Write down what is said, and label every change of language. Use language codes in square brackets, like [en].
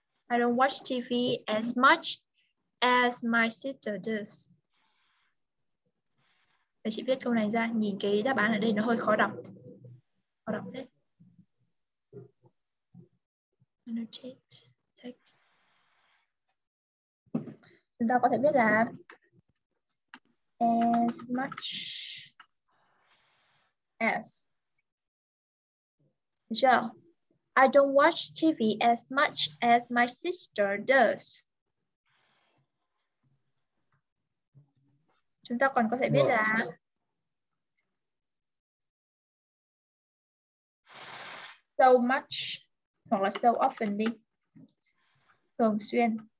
[en] I don't watch TV as much as my sister does. [vi] Để chị viết câu này ra, nhìn cái đáp án ở đây nó hơi khó đọc. Khó đọc thế. [en] Annotate text. [vi] Chúng ta có thể biết là as much as. [en] Yeah. I don't watch TV as much as my sister does. [vi] Chúng ta còn có thể biết là so much hoặc là so often đi. Thường xuyên.